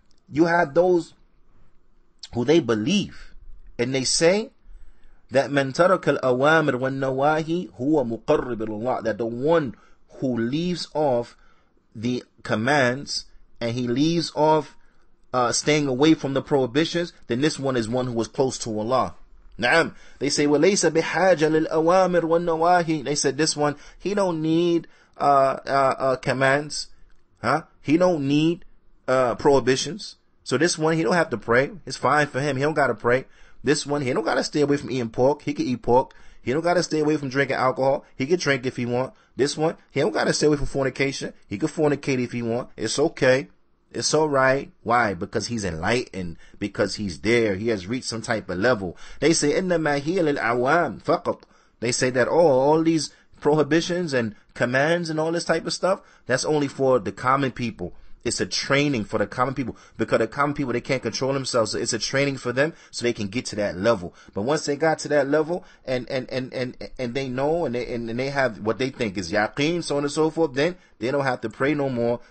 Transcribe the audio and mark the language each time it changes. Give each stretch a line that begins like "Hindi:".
English: You have those who they believe, and they say that
Arabic: من ترك الأوامر والنواهي هو مقرب الله,
English: that the one who leaves off the commands and he leaves off staying away from the prohibitions, then this one is one who is close to Allah.
Arabic: Naam.
English: They say, well,
Arabic: ليس بحاجة للأوامر والنواهي.
English: They said, this one, he don't need commands, huh? He don't need prohibitions. So this one, he don't have to pray. It's fine for him. He don't gotta pray. This one, he don't gotta stay away from eating pork. He can eat pork. He don't gotta stay away from drinking alcohol. He can drink if he want. This one, he don't gotta stay away from fornication. He can fornicate if he want. It's okay. It's all right. Why? Because he's enlightened. Because he's there. He has reached some type of level. They say,
Arabic: إنما هي للعوام فقط.
English: They say that, oh, all these prohibitions and commands and all this type of stuff, that's only for the common people. It's a training for the common people. Because the common people, they can't control themselves. So it's a training for them so they can get to that level. But once they got to that level and they know and they have what they think is yaqeen, so on and so forth, then they don't have to pray no more.